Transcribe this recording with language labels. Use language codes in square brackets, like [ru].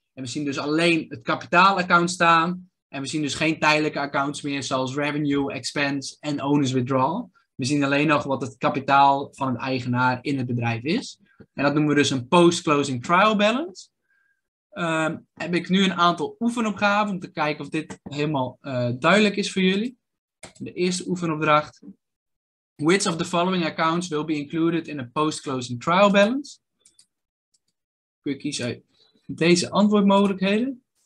[nl] En we zien dus alleen het kapitaalaccount staan. En we zien dus geen tijdelijke accounts meer zoals revenue, expense en owner's withdrawal. We zien alleen nog wat het kapitaal van het eigenaar in het bedrijf is. En dat noemen we dus een post-closing trial balance. Heb ik nu een aantal oefenopgaven om te kijken of dit helemaal duidelijk is voor jullie. De eerste oefenopdracht. [en] Which of the following accounts will be included in a post-closing trial balance? [nl] Kun je kiezen uit deze antwoordmogelijkheden.